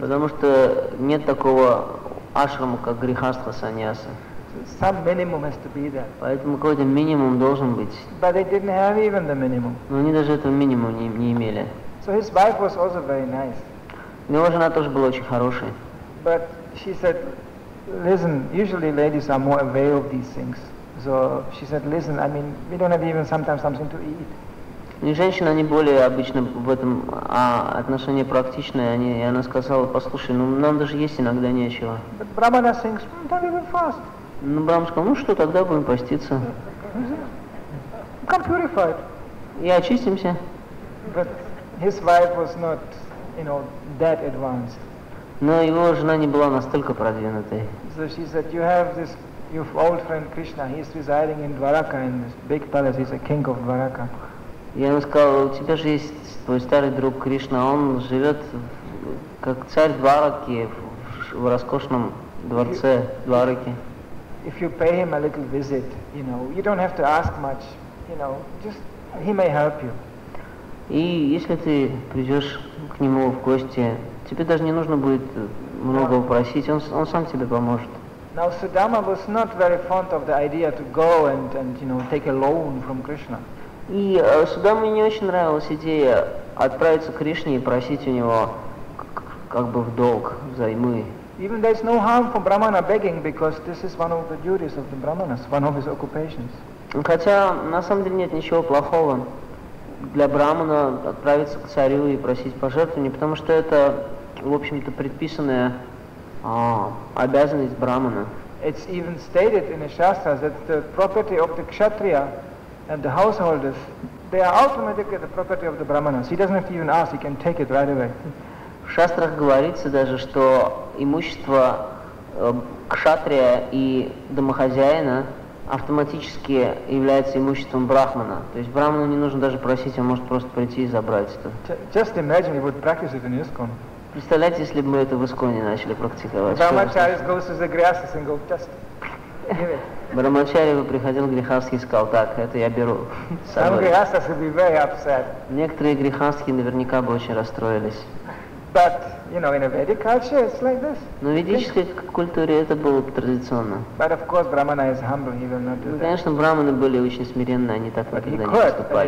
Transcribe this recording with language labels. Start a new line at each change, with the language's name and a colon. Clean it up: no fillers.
Russian: Потому что нет такого ашрама, как грихастха саньяса.
English: Some minimum has to be there.
Russian: Поэтому какой-то минимум должен быть.
English: But they didn't have even the minimum.
Russian: Но они даже этого минимума не имели.
English: So his wife was also very nice.
Russian: Его жена тоже была очень хорошей.
English: But she said, listen, usually ladies are more aware of these things. So she said, listen, I mean, we don't have even sometimes something to eat.
Russian: И женщины, они более обычно в этом отношении практичные, они, и она сказала, послушай, ну нам даже есть иногда нечего.
English: But Brahmana thinks, don't even fast.
Russian: Ну, Брахман сказал, ну что, тогда будем поститься.
English: Come purified.
Russian: И очистимся.
English: But his wife was not, you know, that advanced.
Russian: Но его жена не была настолько продвинутой.
English: So she said, you have this, your old friend Krishna, he's residing in Dvaraka, in this big palace, he's a king of Dvaraka.
Russian: И она сказала, у тебя же есть твой старый друг Кришна, он живет как царь Двараки в роскошном дворце Двараки.
English: If you pay him a little visit, you know, you don't have to ask much, you know, just, he may help you.
Russian: И если ты придешь к нему в гости, тебе даже не нужно будет многого просить, он сам тебе поможет.
English: Now, Sudama was not very fond of the idea to go and you know, take a loan from Krishna.
Russian: И Судаме не очень нравилась идея отправиться к Кришне и просить у него как бы в долг, взаймы.
English: Even there is no harm for Brahmana begging, because this is one of the duties of the Brahmanas, one of his occupations.
Russian: Хотя на самом деле нет ничего плохого для Брахмана отправиться к царю и просить пожертвования, потому что это, в общем-то, предписанная обязанность Брахмана.
English: It's even stated in the Shastras that the property of the Kshatriya and the householders, they are automatically the property of the Brahmanas. He doesn't have to even ask, he can take it right away.
Russian: В Шастрах говорится даже, что имущество кшатрия и домохозяина автоматически является имуществом Брахмана. То есть Брахману не нужно даже просить, он может просто прийти и забрать это.
English: Just imagine, he would practice it in ISKCON.
Russian: Представляете, если бы мы это в Исконе начали практиковать.
English: Брахмачарис goes to the грехастхи and goes, just give it.
Russian: Брахмачари бы приходил к грехастхи и сказал, так, это я беру.
English: Some грехастхи would be very upset.
Russian: Некоторые грехастхи наверняка бы очень расстроились.
English: But, you know, in a Vedic culture, it's like this.
Russian: Но в ведической культуре это было бы традиционно.
English: But of course, Brahmana is humble, he will not do that.
Russian: Конечно, брахманы были очень смиренны, они так никогда не поступали.